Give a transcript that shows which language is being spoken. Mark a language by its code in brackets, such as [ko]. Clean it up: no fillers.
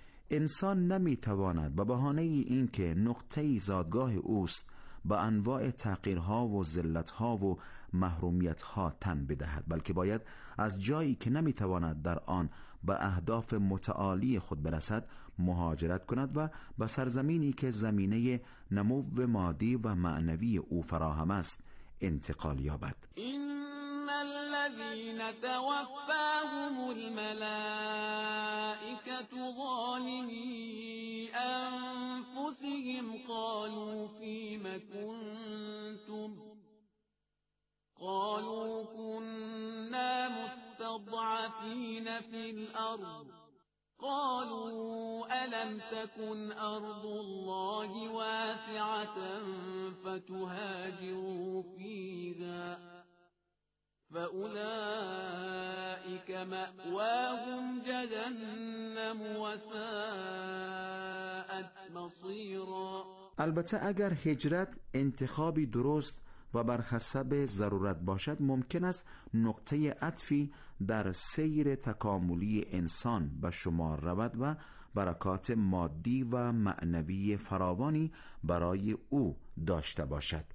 [fa] انسان نمیتواند به بهانه این که نقطه زادگاه اوست به انواع تحقیرها و ذلتها و محرومیتها تن بدهد، بلکه باید از جایی که نمیتواند در آن به اهداف متعالی خود برسد مهاجرت کند و به سرزمینی که زمینه نمو مادی و معنوی او فراهم است انتقال یابد. [ar] الذين توفاهم الملائكة ظالمي أنفسهم قالوا فيما كنتم قالوا كنا مستضعفين في الأرض قالوا ألم تكن أرض الله واسعة فتهاجروا فيها فأولئك مأواهم جهنم وساءت مصيرا. [fa] البته اگر هجرت انتخابی درست و بر حسب ضرورت باشد، ممکن است نقطه عطفی در سیر تکاملی انسان به شمار رود و برکات مادی و معنوی فراوانی برای او داشته باشد.